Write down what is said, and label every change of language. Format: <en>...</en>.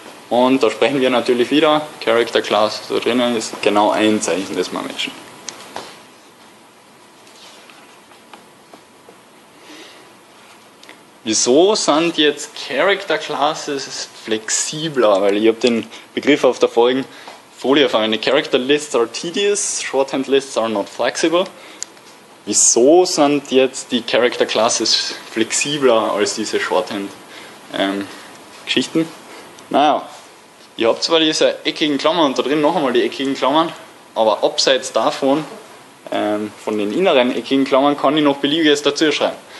<de>Und da sprechen wir natürlich wieder, Character Class da drinnen ist genau ein Zeichen, das wir matchen. Wieso sind jetzt Character Classes flexibler? Weil ich habe den Begriff auf der vorigen Folie verwendet.</de> <en>Character Lists are tedious, Shorthand Lists are not flexible.</en> <de>Wieso sind jetzt die Character Classes flexibler als diese Shorthand-Geschichten? Naja, ihr habt zwar diese eckigen Klammern und da drin noch einmal die eckigen Klammern, aber abseits davon, von den inneren eckigen Klammern, kann ich noch beliebiges dazu schreiben.</de>